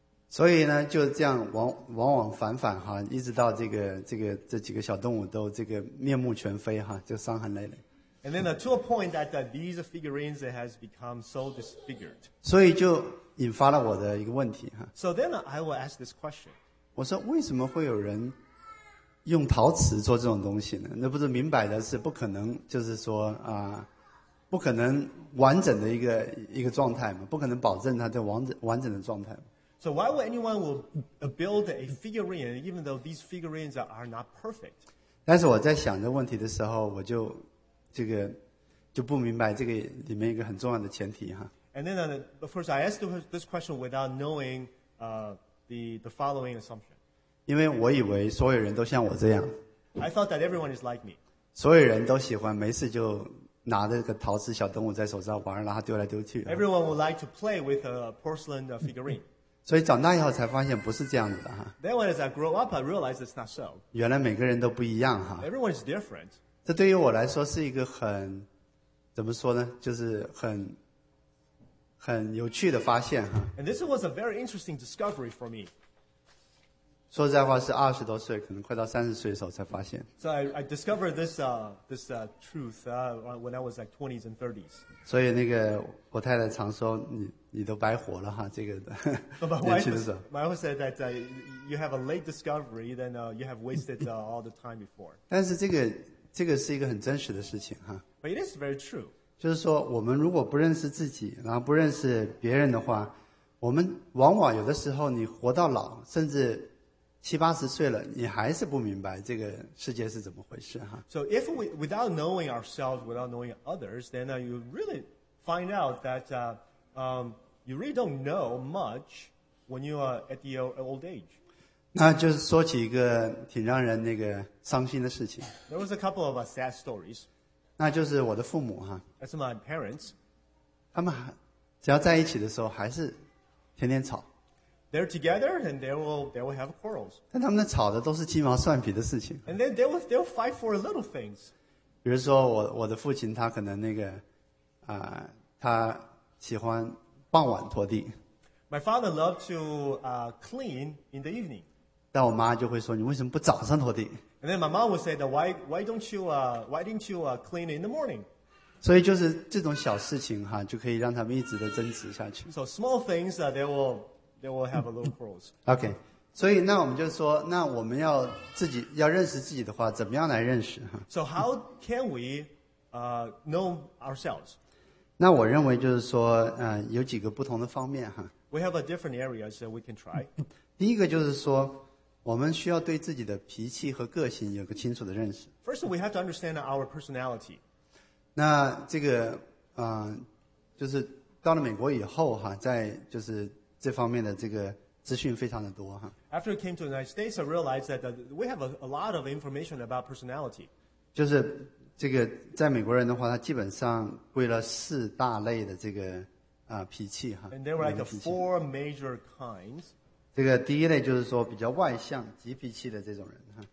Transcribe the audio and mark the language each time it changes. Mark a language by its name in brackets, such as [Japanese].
[Chinese] 所以呢，就这样往往反反哈，一直到这几个小动物都这个面目全非哈，就伤痕累累。 [English] And then to a point that these figurines has become so disfigured. [Chinese] 所以就引发了我的一个问题哈。 [English] So then I will ask this question. [Chinese] 我说为什么会有人？用陶瓷做这种东西呢那不是明摆的是不可能就是说啊、不可能完整的一个状态嘛不可能保证它的完整的状态嘛。 [English] So why would anyone will build a figurine even though these figurines are not perfect? [Chinese] 但是我在想这问题的时候我就这个就不明白这个里面一个很重要的前提哈。 [English] And then, of course, I asked this question without knowing, the following assumption. [Chinese] 因为我以为所有人都像我这样 [English] I thought that everyone is like me [Chinese] 所有人都喜欢没事就拿着个陶瓷小动物在手上玩，然后丢来丢去。 [English] Everyone would like to play with a porcelain figurine. [Chinese] 所以长大以后才发现不是这样子的。 [English] Then when I grew up, I realized it's not so. [Chinese] 原来每个人都不一样哈。 [English] Everyone is different. [Chinese] 这对于我来说是一个很，怎么说呢？就是很有趣的发现哈。 [English] And this was a very interesting discovery for me. [Chinese] 说实在话是二十多岁可能快到三十岁的时候才发现。 [English] So I discovered this truth when I was like 20s and 30s. [Chinese] 所以那个我太太常说你都白活了哈这个年轻的时候。 [English] My wife said that you have a late discovery, then you have wasted all the time before. [Chinese] 但是这个是一个很真实的事情哈。 [English] But it is very true. [Chinese] 就是说我们如果不认识自己然后不认识别人的话我们往往有的时候你活到老甚至七八十岁了你还是不明白这个世界是怎么回事哈。 [English] So if we, without knowing ourselves, without knowing others, then you really find out that you really don't know much when you are at the old age. [Chinese] 那就是说起一个挺让人那个伤心的事情。 [English] There was a couple of sad stories. [Chinese] 那就是我的父母哈。 [English] That's my parents. [Chinese] 他们只要在一起的时候还是天天吵。 [English] They're together and they will have quarrels. [Chinese] 但他们吵的都是鸡毛蒜皮的事情。 [English] And then they will fight for little things. [Chinese] 比如说我的父亲他可能那个他喜欢傍晚拖地。 [English] My father loved to clean in the evening. [Chinese] 但我妈就会说你为什么不早上拖地。 [English] And then my mom would say that why didn't you clean in the morning? [Chinese] 所以就是这种小事情哈就可以让他们一直的争执下去。 [English] So small things that they will have a little quarrels. Okay. [Chinese] 所以那我们就说那我们要自己要认识自己的话怎么样来认识。 [English] So how can we, know ourselves? [Chinese] 那我认为就是说有几个不同的方面哈。 [English] We have a different areas that we can try. [Chinese] 第一个就是说我们需要对自己的脾气和个性有个清楚的认识。 [English] First, we have to understand our personality. [Chinese] 那这个就是到了美国以后哈在就是这方面的这个资讯非常的多哈。 [English] After I came to the United States, I realized that we have a lot of information about personality. [Chinese] 就是这个在美国人的话，他基本上归了四大类的这个脾气哈。 [English] And there were like four major kinds. [Chinese] 这个第一类就是说比较外向、急脾气的这种人哈。